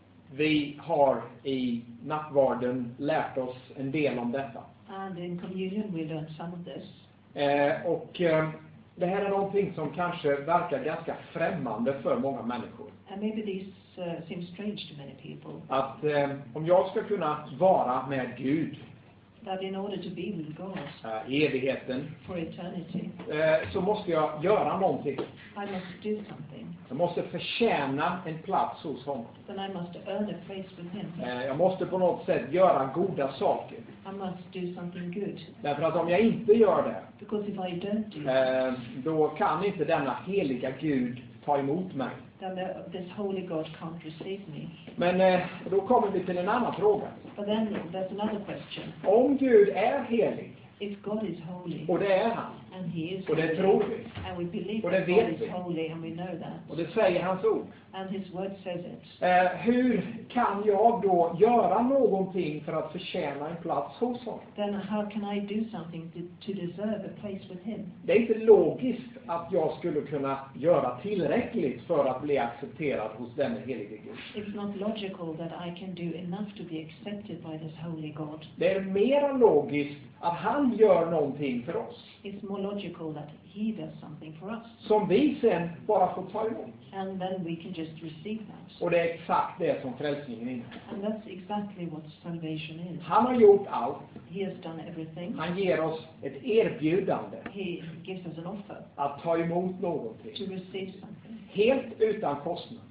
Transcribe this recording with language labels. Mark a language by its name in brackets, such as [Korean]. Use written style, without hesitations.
[Swedish] Vi har i nattvarden lärt oss en del om detta. [English] And in communion we learned some of this. [Swedish] Det här är någonting som kanske verkar ganska främmande för många människor. [English] And maybe this seems strange to many people. [Swedish] Att om jag ska kunna vara med Gud. [English] That in order to be with God. [Swedish] Evigheten. [English] For eternity. [Swedish] Så måste jag göra någonting. [English] I must do something. [Swedish] Jag måste förtjäna en plats hos honom. [English] Then I must earn a place with him. [Swedish] Jag måste på något sätt göra goda saker. [English] I must do something good. [Swedish] Därför att om jag inte gör det. [English] Because if I don't do it. [Swedish] Då kan inte denna heliga Gud ta emot mig. [English] Then this holy God can't receive me. [Swedish] Men då kommer vi till en annan fråga. [English] But then there's another question. [Swedish] Om Gud är helig. [English] If God is holy. [Swedish] Och det är han. [English] And he is. [Swedish] Och det [English] holy, [Swedish] tror vi. [English] And we believe. [Swedish] Och det [English] that [Swedish] vet [English] God [Swedish] vi. [English] Is holy and we know that. [Swedish] Och det säger hans ord. [English] And his word says it. [Swedish] Hur kan jag då göra någonting för att förtjäna en plats hos honom? [English] Then how can I do something to deserve a place with him? [Swedish] Det är inte logiskt att jag skulle kunna göra tillräckligt för att bli accepterad hos den helige Gud. [English] It's not logical that I can do enough to be accepted by this holy God. [Swedish] Det är mer logiskt att han gör någonting för oss. [English] It's more logical that he does something for us. [Swedish] Som vi sen bara får ta emot. [English] And then we can just receive that. [Swedish] Och det är exakt det som frälsningen är. [English] And that's exactly what salvation is. [Swedish] Han har gjort allt. [English] He has done everything. [Swedish] Han ger oss ett erbjudande. [English] He gives us an offer. [Swedish] Att ta emot någonting. [English] To receive something. [Swedish] Helt utan kostnad.